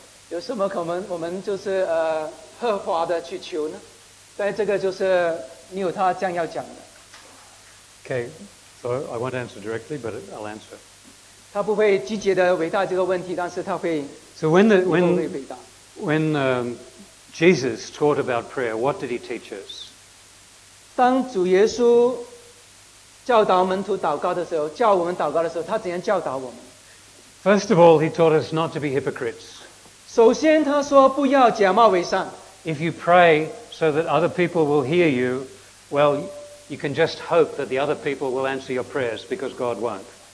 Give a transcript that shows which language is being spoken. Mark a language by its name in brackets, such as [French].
[Chinese] 有什么可能我们就是合法的去求呢? 但这个就是你有他这样要讲的。 [English] Okay, so I won't answer directly, but I'll answer. [Chinese] 他不会积极地回答这个问题, 但是他会... [English] So when Jesus taught about prayer, what did he teach us? [Chinese] 当主耶稣教导门徒祷告的时候，教我们祷告的时候，他怎样教导我们？ [English] First of all, he taught us not to be hypocrites. [Chinese] 首先他说不要假冒伪善。 [English] If you pray so that other people will hear you, well, you can just hope that the other people will answer your prayers because God won't.